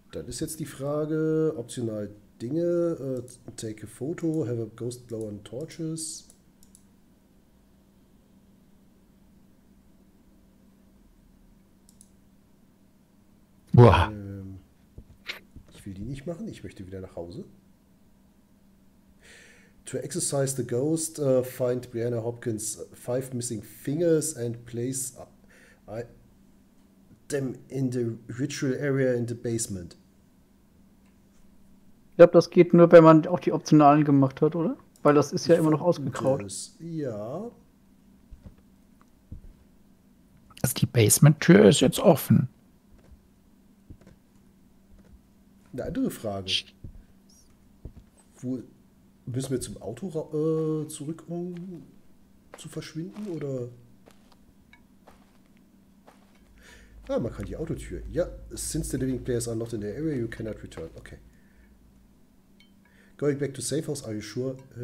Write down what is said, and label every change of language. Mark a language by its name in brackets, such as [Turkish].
[German] Dann ist jetzt die Frage, optional Dinge, [English] take a photo, have a ghost glow on torches. Boah. [German] Ich will die nicht machen, ich möchte wieder nach Hause. [English] To exorcise the ghost, find Brianna Hopkins' 5 missing fingers and place them in the ritual area in the basement. [German] Ich glaube, das geht nur, wenn man auch die optionalen gemacht hat, oder? Weil das ist ja immer noch ausgegraut. Ja. Also die Basement-Tür ist jetzt offen. Eine andere Frage. Wo müssen wir zum Auto zurück, um zu verschwinden, oder? Ah, man kann die Autotür. [English] Ja, since the living players are not in the area, you cannot return. Okay. Going back to safe house, are you sure?